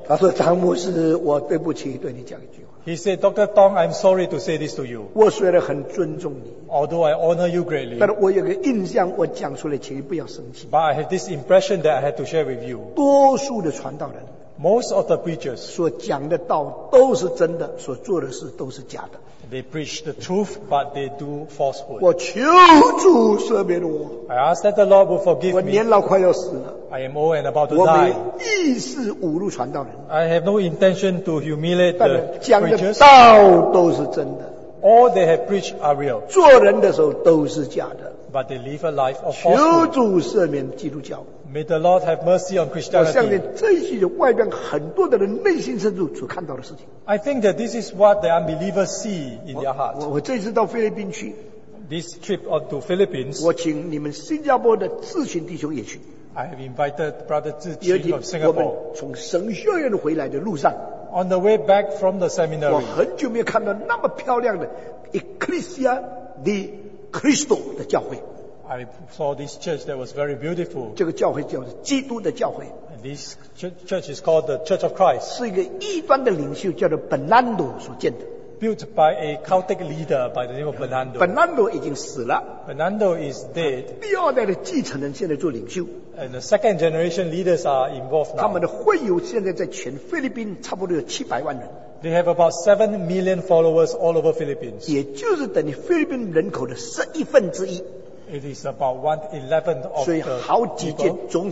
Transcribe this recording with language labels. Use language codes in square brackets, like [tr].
[zh] 他说，张牧师，我对不起，对你讲一句话。 [en] He said, Dr. Tong, I'm sorry to say this to you. [zh] 我虽然很尊重你, [en] although I honor you greatly. [zh] 但我有个印象, 我讲出来请你不要生气, [en] but I have this impression that I had to share with you. [zh] 多数的传道人, [en] most of the preachers [zh] 所讲的道都是真的, 所做的事都是假的。 [en] They preach the truth, but they do falsehood. [zh] 我求主赦免我, [en] I ask that the Lord will forgive me. [zh] 我年老快要死了。 [en] I am old and about to die. [zh] 我没有意识侮辱传道人。 [en] I have no intention to humiliate the preachers. [zh] 讲的道都是真的。 [en] All they have preached are real. [zh] 做人的时候都是假的。 [en] But they live a life of falsehood. [zh] 求主赦免基督教。 [en] May the Lord have mercy on Christianity. [zh] 我相信这些外边很多的人内心深处所看到的事情。 [en] I think that this is what the unbelievers see in their heart. [zh] 我这次到菲律宾去。 [en] This trip to Philippines. [zh] 我请你们新加坡的志勤弟兄也去。 [en] I have invited Brother Zhiqing of Singapore. [zh] 我们从神学院回来的路上, [en] on the way back from the seminary, [zh] 我很久没有看到那么漂亮的 Ecclesia de Cristo 的教会。 [en] I saw this church that was very beautiful. [zh] 这个教会叫基督的教会。 [en] And this church is called the Church of Christ. [zh] 是一个异端的领袖叫做本南多所建的。 [en] Built by a Celtic leader by the name of Bernardo. [zh] Bernardo 已经死了。 [en] Bernardo is dead. [zh] 第二代的继承人现在做领袖。 [en] And the second generation leaders are involved now. [zh] 他们的会友现在在全菲律宾差不多有700万人。 [en] They have about 7 million followers all over Philippines. [zh] 也就是等于菲律宾人口的11分之一。 [en] It is about 1/11 of the people.